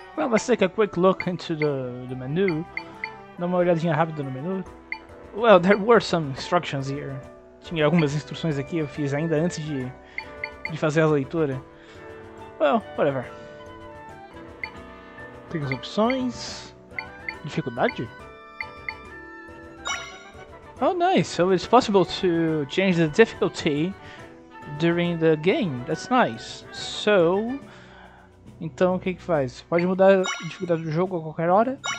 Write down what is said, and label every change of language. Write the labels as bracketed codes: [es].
[en] Let's take a quick look into the menu. [pt] Dá uma olhadinha rápida no menu. [en] Well, there were some instructions here. [pt] Tinha algumas instruções aqui, eu fiz ainda antes de fazer a leitura. [en] Well, whatever. [pt] Tem as opções. Dificuldade? [en] Oh, nice. So it's possible to change the difficulty during the game. That's nice. So. [pt] Então, o que que faz? Pode mudar a dificuldade do jogo a qualquer hora.